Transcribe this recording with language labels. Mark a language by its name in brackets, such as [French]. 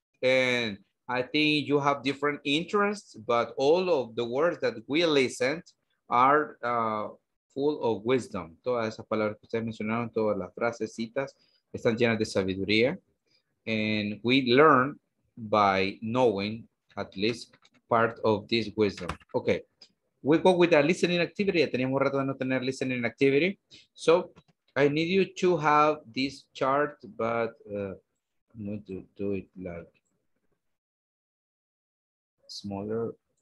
[English] And I think you have different interests, but all of the words that we listened are full of wisdom. [Spanish] Todas esas palabras que ustedes mencionaron, todas las frases, citas, están llenas de sabiduría. [English] And we learn by knowing at least part of this wisdom. Okay. We go with a listening activity. [Spanish] Teníamos rato de no tener [English] listening activity. So I need you to have this chart, but I'm going to do it like smaller.